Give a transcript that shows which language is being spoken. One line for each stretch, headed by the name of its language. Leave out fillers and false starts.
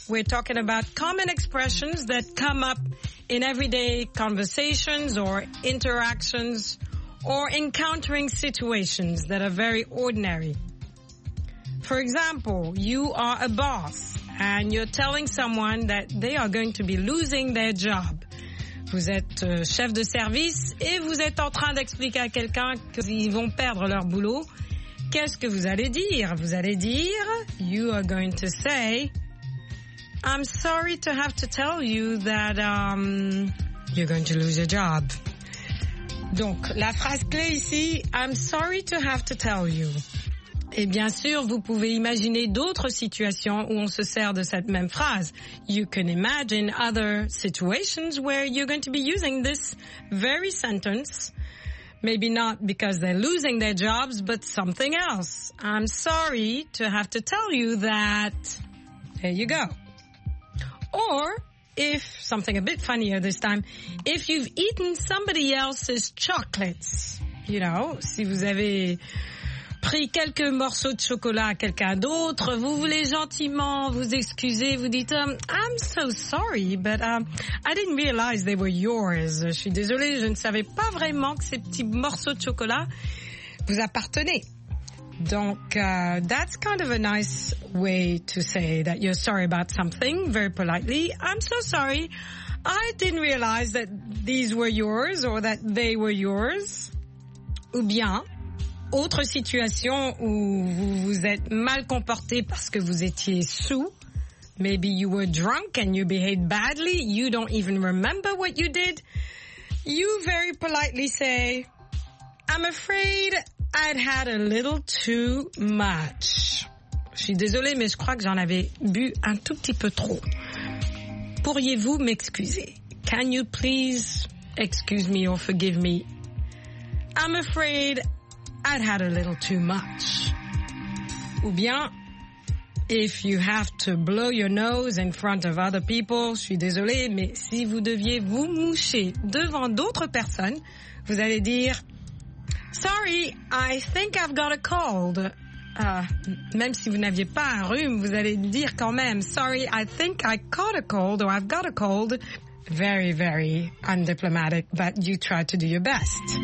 English: We're talking about common expressions that come up in everyday conversations or interactions or encountering situations that are very ordinary. For example, you are a boss and you're telling someone that they are going to be losing their job.
French: Vous êtes chef de service et vous êtes en train d'expliquer à quelqu'un qu'ils vont perdre leur boulot. Qu'est-ce que vous allez dire? Vous allez dire,
English: you are going to say, I'm sorry to have to tell you that you're going to lose your job.
French: Donc, la phrase clé ici,
English: I'm sorry to have to tell you.
French: Et bien sûr, vous pouvez imaginer d'autres situations où on se sert de cette même phrase.
English: You can imagine other situations where you're going to be using this very sentence. Maybe not because they're losing their jobs, but something else. I'm sorry to have to tell you that. There you go. Or, if something a bit funnier this time, if you've eaten somebody else's chocolates, you know,
French: si vous avez pris quelques morceaux de chocolat à quelqu'un d'autre, vous voulez gentiment vous excuser, vous dites
English: I'm so sorry, but I didn't realize they were yours.
French: Je suis désolée, je ne savais pas vraiment que ces petits morceaux de chocolat vous appartenaient.
English: Donc, that's kind of a nice way to say that you're sorry about something, very politely. I'm so sorry, I didn't realize that these were yours or that they were yours.
French: Ou bien, autre situation où vous vous êtes mal comporté parce que vous étiez sous.
English: Maybe you were drunk and you behaved badly. You don't even remember what you did. You very politely say, I'm afraid I'd had a little too much.
French: Je suis désolée, mais je crois que j'en avais bu un tout petit peu trop. Pourriez-vous m'excuser?
English: Can you please excuse me or forgive me? I'm afraid I'd had a little too much.
French: Ou bien,
English: if you have to blow your nose in front of other people,
French: je suis désolée, mais si vous deviez vous moucher devant d'autres personnes, vous allez dire,
English: sorry, I think I've got a cold.
French: Même si vous n'aviez pas un rhume, vous allez dire quand même,
English: sorry, I think I caught a cold or I've got a cold. Very, very undiplomatic, but you try to do your best.